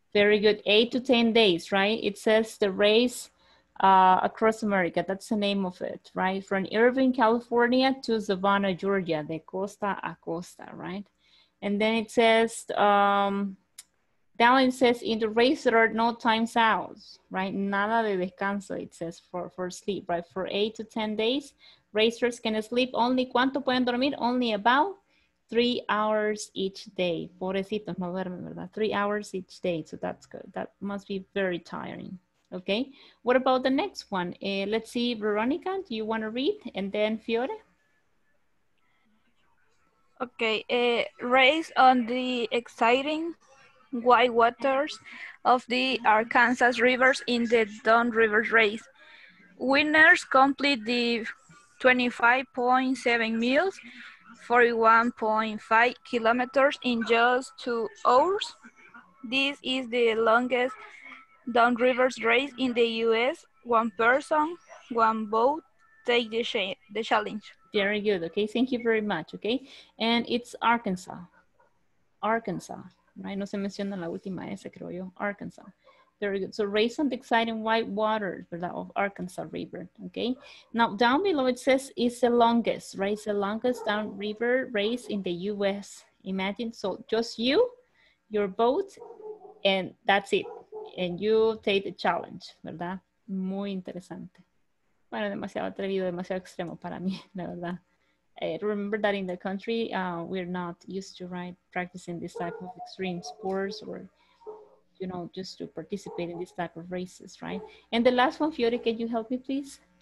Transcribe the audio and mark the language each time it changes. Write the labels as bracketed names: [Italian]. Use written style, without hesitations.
[English] Very good. 8 to 10 days, right? It says the race across America. That's the name of it, right? From Irvine, California to Savannah, Georgia, [Spanish] de costa a costa, [English] right? And then it says, down it says, in the race there are no times out, right? [Spanish] Nada de descanso, [English] it says, for sleep, right? For 8 to 10 days, racers can sleep only, [Spanish] ¿cuánto pueden dormir? [English] Only about 3 hours each day. [Spanish] Pobrecitos, no duermen, ¿verdad? [English] 3 hours each day. So that's good. That must be very tiring. Okay. What about the next one? Let's see, Veronica, do you want to read? And then Fiore? Okay. Race on the exciting white waters of the Arkansas rivers in the Don River Race. Winners complete the 25.7 miles. 41.5 kilometers in just 2 hours. This is the longest downriver race in the U.S. One person, one boat, take the challenge. Very good. Okay. Thank you very much. Okay. And it's Arkansas. Arkansas. Right? [Spanish] No se menciona la última S, creo yo. [English] Arkansas. Very good. So race on the exciting white water of Arkansas River. Okay. Now down below it says it's the longest, right? It's the longest downriver race in the U.S. Imagine. So just you, your boat, and that's it. And you take the challenge, [Spanish] ¿verdad? Muy interesante. Bueno, demasiado atrevido, demasiado extremo para mí, la verdad. [English] Remember that in the country, we're not used to, right, practicing this type of extreme sports or, you know, just to participate in this type of races, right? And the last one, Fiore, can you help me, please?